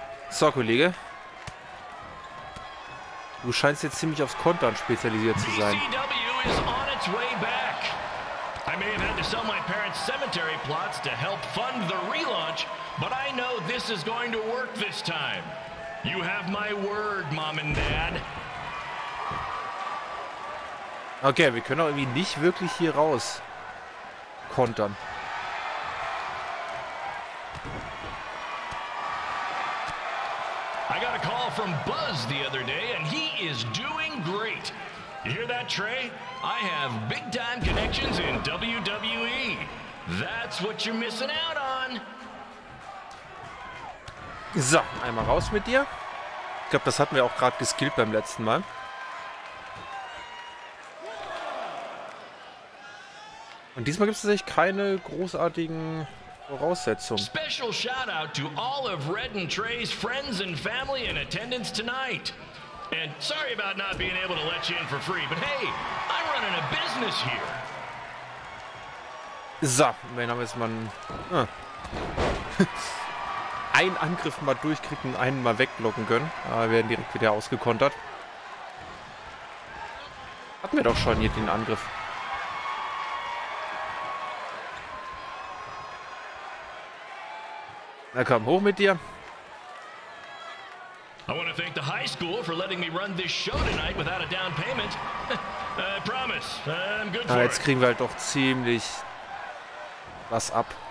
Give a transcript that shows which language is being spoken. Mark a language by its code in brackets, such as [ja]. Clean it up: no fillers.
[de] So, Kollege. Du scheinst jetzt ziemlich aufs Kontern spezialisiert zu sein. [en] BCW is on its way back. I may have had to sell my parents' cemetery plots to help fund the relaunch, but I know this is going to work this time. You have my word, Mom and Dad. [de] Okay, wir können auch irgendwie nicht wirklich hier raus kontern. [en] I got a call from Buzz the other day and he is doing great. You hear that, Trey? I have big time connections in WWE. That's what you're missing out on. [de] So, einmal raus mit dir. Ich glaube, das hatten wir auch gerade geskillt beim letzten Mal. Und diesmal gibt es tatsächlich keine großartigen Voraussetzungen. [en] Special shout out to all of Red and Trey's friends and family in attendance tonight. And sorry about not being able to let you in for free, but hey, I'm running a business here. [de] So, wenn haben wir jetzt mal einen Angriff mal durchkriegen, einen mal wegblocken können. Aber wir werden direkt wieder ausgekontert. Hatten wir doch schon hier den Angriff. Na komm, hoch mit dir. [en] I want to thank the high school for letting me run this show tonight without a down payment. I promise, I'm good for it. [de] Jetzt kriegen wir halt doch ziemlich was ab.